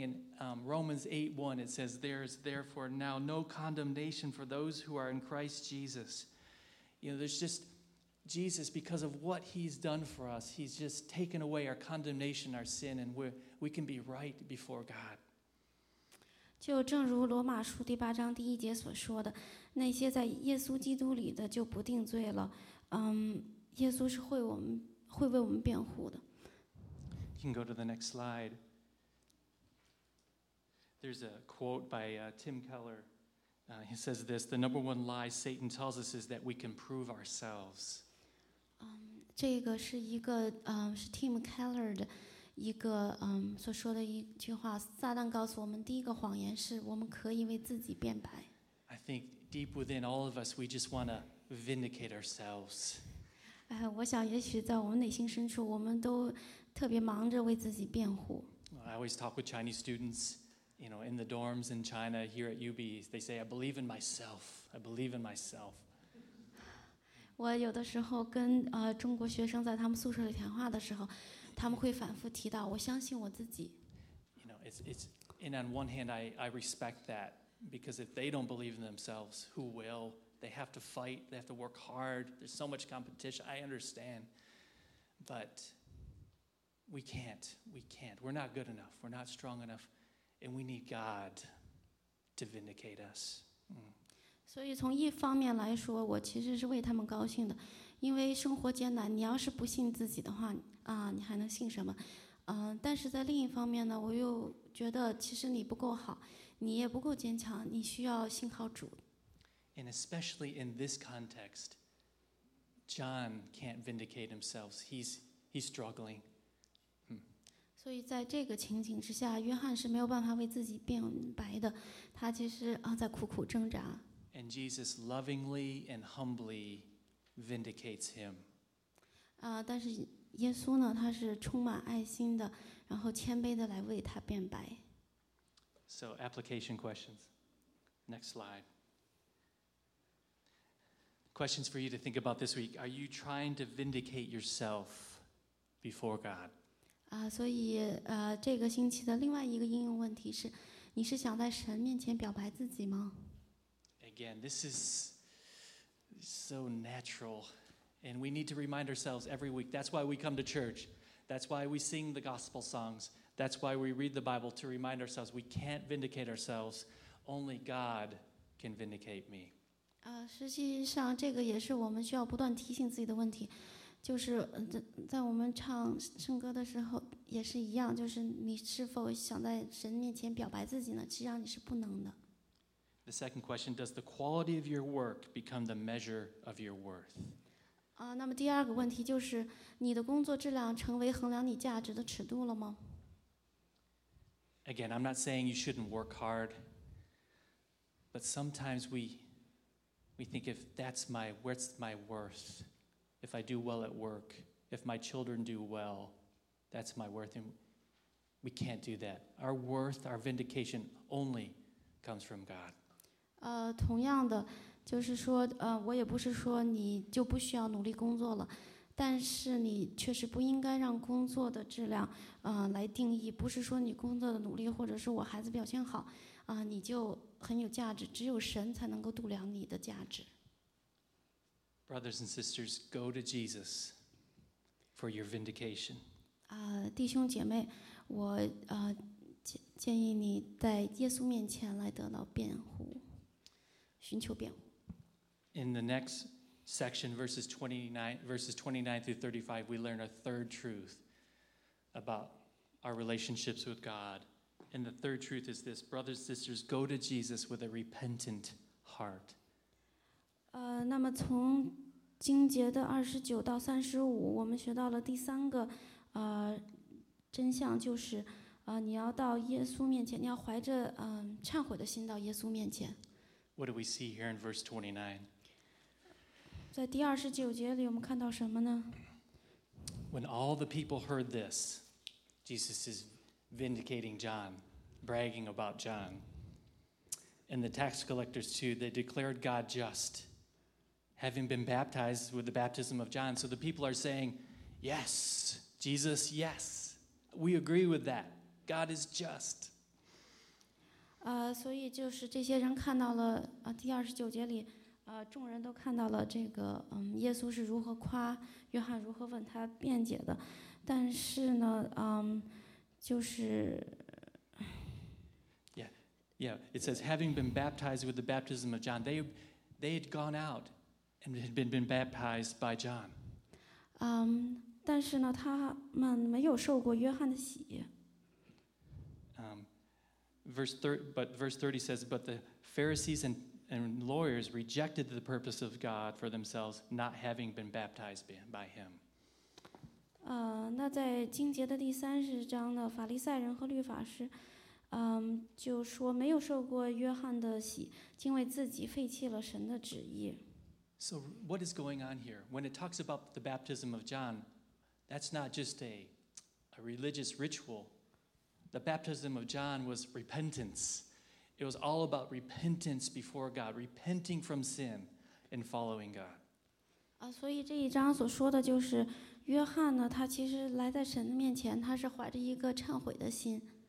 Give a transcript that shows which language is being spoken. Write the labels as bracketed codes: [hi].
[en] In Romans 8:1, it says, "There is therefore now no condemnation for those who are in Christ Jesus." You know, there's just Jesus, because of what he's done for us, he's just taken away our condemnation, our sin, and we can be right before God. [zh] 就正如罗马书第八章第一节所说的，那些在耶稣基督里的就不定罪了。耶稣是会为我们辩护的。 [en] You can go to the next slide. There's a quote by Tim Keller. He says this: "The number one lie Satan tells us is that we can prove ourselves." [zh] 这个是一个是 Tim Keller 的一个所说的一句话。撒旦告诉我们，第一个谎言是我们可以为自己辩白。 [en] I think deep within all of us, we just want to vindicate ourselves. [zh] 我想也许在我们内心深处，我们都特别忙着为自己辩护。 [en] I always talk with Chinese students, you know, in the dorms in China here at UB. They say, "I believe in myself. I believe in myself." [zh] 我有的时候跟中国学生在他们宿舍里谈话的时候，他们会反复提到我相信我自己。 [en] You know, it's and on one hand, I respect that, because if they don't believe in themselves, who will? They have to fight. They have to work hard. There's so much competition. I understand, but we can't. We can't. We're not good enough. We're not strong enough, and we need God to vindicate us. [zh] 所以从一方面来说，我其实是为他们高兴的，因为生活艰难，你要是不信自己的话，你还能信什么？但是在另一方面呢，我又觉得其实你不够好，你也不够坚强，你需要信靠主。 [en] And especially in this context, John can't vindicate himself. He's struggling. [zh] 所以在这个情景之下，约翰是没有办法为自己辩白的，他其实在苦苦挣扎。 [en] And Jesus lovingly and humbly vindicates him. [zh] 但是耶稣呢，他是充满爱心的，然后谦卑的来为他辩白。 [en] So application questions. Next slide. Questions for you to think about this week. Are you trying to vindicate yourself before God? [zh] 所以这个星期的另外一个应用问题是，你是想在神面前表白自己吗？ [en] Again, this is so natural, and we need to remind ourselves every week. That's why we come to church. That's why we sing the gospel songs. That's why we read the Bible, to remind ourselves we can't vindicate ourselves. Only God can vindicate me. [zh] 实际上这个也是我们需要不断提醒自己的问题，就是在我们唱圣歌的时候也是一样，就是你是否想在神面前表白自己呢？实际上你是不能的。 [en] The second question, does the quality of your work become the measure of your worth? [zh] 那么第二个问题就是，你的工作质量成为衡量你价值的尺度了吗？ [en] Again, I'm not saying you shouldn't work hard, but sometimes we think, if that's my, what's my worth? If I do well at work, if my children do well, that's my worth. And we can't do that. Our worth, our vindication, only comes from God. [zh] 同样的，就是说，我也不是说你就不需要努力工作了，但是你确实不应该让工作的质量，来定义。不是说你工作的努力，或者是我孩子表现好，你就很有价值。只有神才能够度量你的价值。 [en] Brothers and sisters, go to Jesus for your vindication. [zh] 弟兄姐妹，我建议你在耶稣面前来得到辩护，寻求辩护。 [en] In the next section, verses 29 through 35, we learn a third truth about our relationships with God. And the third truth is this: brothers and sisters, go to Jesus with a repentant heart. [zh] 那么从经节的29到35，我们学到了第三个真相，就是你要到耶稣面前，你要怀着忏悔的心到耶稣面前。 [en] What do we see here in verse 29? [zh] 在第二十九节里，我们看到什么呢 [en] ？When all the people heard this, Jesus is vindicating John, bragging about John, and the tax collectors too. They declared God just, having been baptized with the baptism of John. So the people are saying, "Yes, Jesus, yes, we agree with that." God is just. [zh] 所以就是这些人看到了第二十九节里，众人都看到了这个，耶稣是如何夸约翰，如何问他辩解的。但是呢，就是 [en] ，Yeah, it says having been baptized with the baptism of John, they had gone out and had been baptized by John. [zh] 但是呢，他们没有受过约翰的洗。 [en] Verse 30 says, but the Pharisees and lawyers rejected the purpose of God for themselves, not having been baptized by him. [zh] 那在经节的第三十章呢，法利赛人和律法师，就说没有受过约翰的洗，竟为自己废弃了神的旨意。 [en] So what is going on here? When it talks about the baptism of John, that's not just a religious ritual. The baptism of John was repentance. It was all about repentance before God, repenting from sin and following God. [zh] 所以这一章所说的就是约翰呢，他其实来在神的面前，他是怀着一个忏悔的心。